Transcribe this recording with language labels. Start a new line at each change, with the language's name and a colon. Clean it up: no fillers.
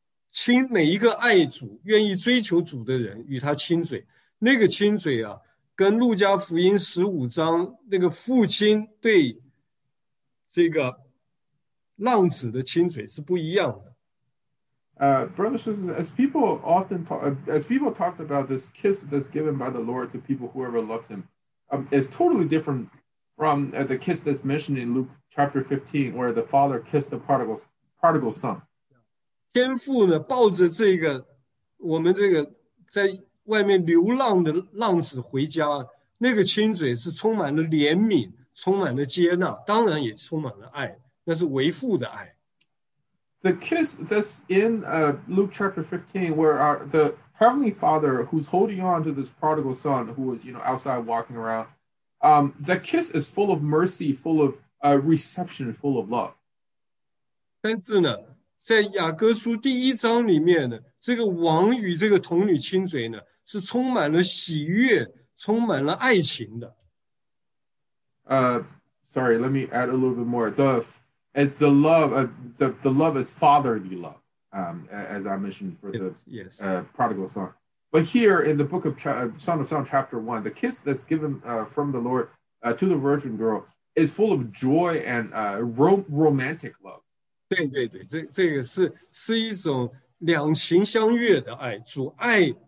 Chinese: 亲每一个爱主愿意追求主的人与他亲嘴，那个亲嘴啊，跟路加福音十五章那个父亲对这个浪子的亲嘴是不一样的。
English: Brothers and sisters, as people talked about this kiss that's given by the Lord to people whoever loves him, is totally different from the kiss that's mentioned in Luke chapter 15, where the father kissed the prodigal son.
Chinese: 天父呢，抱着这个我们这个在外面流浪的浪子回家，那个亲嘴是充满了怜悯，充满了接纳，当然也充满了爱，那是为父的爱。
English: The kiss that's in Luke chapter 15, where the heavenly father who's holding on to this prodigal son who was, you know, outside walking around, the kiss is full of mercy, full of reception, full of love.
Chinese: 但是呢。在雅各书第一章里面呢，这个王与这个童女亲嘴呢，是充满了喜悦，充满了爱情的。
English: Sorry, let me add a little bit more. The love is fatherly love. As I mentioned for prodigal son. But here in the book of Son of Song, chapter 1, the kiss that's given from the Lord to the virgin girl is full of joy and romantic love.
Chinese: 对对对，这个是一种两情相悦的爱，主爱。